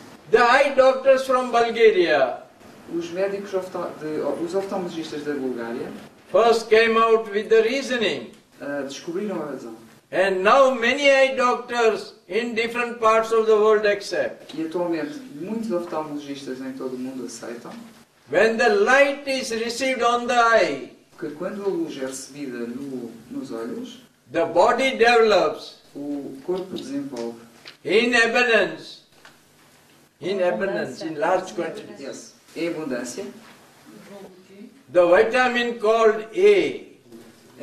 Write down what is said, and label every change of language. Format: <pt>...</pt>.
<en>The eye doctors from Bulgaria.</en> <pt>Os médicos os oftalmologistas da Bulgária.</pt> <en>First came out with the reasoning.</en> <pt>Descobriram a razão.</pt> <en>And now many eye doctors in different parts of the world accept.</en> <pt>E atualmente muitos oftalmologistas em todo o mundo aceitam.</pt> <en>When the light is received on the eye.</en> <pt>Porque quando a luz é recebida nos olhos.</pt> <en>The body develops.</en> <pt>O corpo desenvolve.</pt> <en>In abundance. In abundance, in large quantities.</en> <pt>Yes. Em abundância.</pt> <en>The vitamin called A.</en>